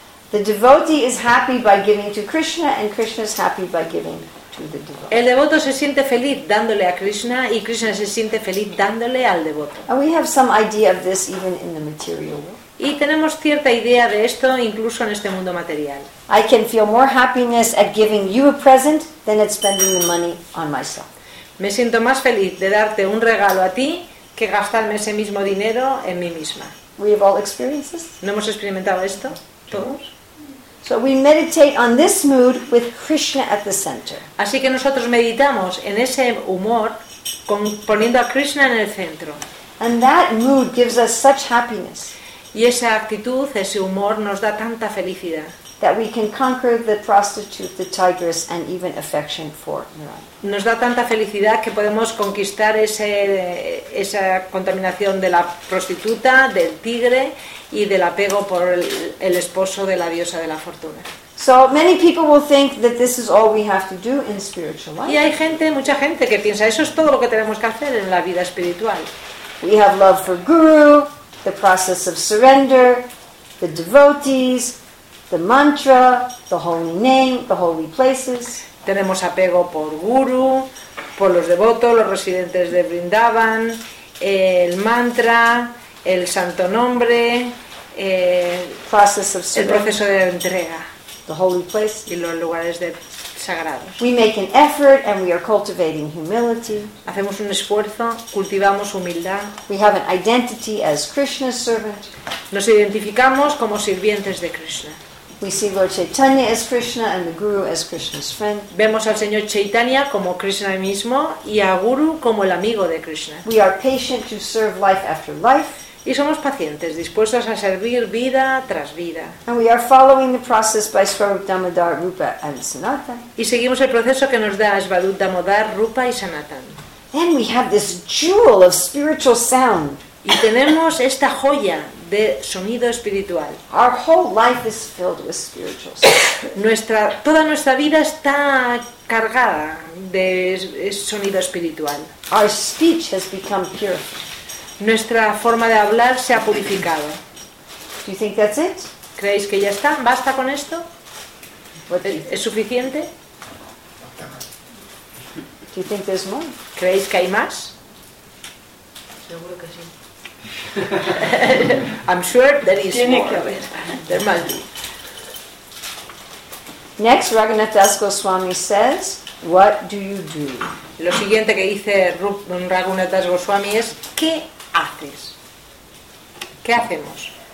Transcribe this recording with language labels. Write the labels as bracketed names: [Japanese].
[English] The devotee is happy by giving to Krishna, and Krishna is happy by giving to the devotee. [Spanish] El devoto se siente feliz dándole a Krishna, y Krishna se siente feliz dándole al devoto. [English] And we have some idea of this even in the material world. [Spanish] Y tenemos cierta idea de esto incluso en este mundo material. [English] I can feel more happiness at giving you a present than at spending the money on myself. [Spanish] Me siento más feliz de darte un regalo a ti que gastarme ese mismo dinero en mí misma. [English] We have all experienced this. [Spanish] ¿No hemos experimentado esto todos? [English] So we meditate on this mood with Krishna at the center. [Spanish] Así que nosotros meditamos en ese humor con, poniendo a Krishna en el centro. [English] And that mood gives us such happiness. [Spanish] Y esa actitud, ese humor, nos da tanta felicidad. [English] That we can conquer the prostitute, the tigress, and even affection for Narayana. [Spanish] Nos da tanta felicidad que podemos conquistar ese, esa contaminación de la prostituta, del tigre, y del apego por el esposo de la diosa de la fortuna. [English] So many people will think that this is all we have to do in spiritual life. [Spanish] Y hay gente, mucha gente, que piensa eso es todo lo que tenemos que hacer en la vida espiritual. [English] We have love for Guru, the process of surrender, the devotees, the mantra, the holy name, the holy places. [Spanish] Tenemos apego por Guru, por los devotos, los residentes de Vrindavan, el mantra, el santo nombre, [English] process of surrender, [Spanish] el proceso de entrega, [English] the holy place, [Spanish] y los lugares de sagrados. [English] We make an effort and we are cultivating humility. [Spanish] Hacemos un esfuerzo, cultivamos humildad. [English] We have an identity as Krishna's servant. [Spanish] Nos identificamos como sirvientes de Krishna. [English] We see Lord Chaitanya as Krishna and the Guru as Krishna's friend. [Spanish] Vemos al Señor Chaitanya como Krishna mismo y a Guru como el amigo de Krishna. [English] We are patient to serve life after life. [Spanish] Y somos pacientes, dispuestos a servir vida tras vida. [English] And we are following the process by Svarupa Damodar, Rupa and Sanatan. [Spanish] Y seguimos el proceso que nos da Svarupa Damodar, Rupa y Sanatan. [English] Then we have this jewel of spiritual sound. [Spanish] Y tenemos esta joya de sonido espiritual. [English] Our whole life is filled with spiritual sound. [Spanish] Toda nuestra vida está cargada de sonido espiritual. [English] Our speech has become pure. [Spanish] Nuestra forma de hablar se ha purificado. [English] Do you think that's it? [Spanish] ¿Creéis que ya está? ¿Basta con esto? [English] What [Spanish] ¿Es suficiente? [English] Do you think there's more? [Spanish] ¿Creéis que hay más? Seguro que sí. [English] I'm sure there is [Spanish] Tiene [English] more. [Spanish] Que haber. [English] There must be. Next, Raghunath Das Goswami says, what do you do? [Spanish] Lo siguiente que dice Raghunath Das Goswami es, ¿qué ¿Qué hacemos?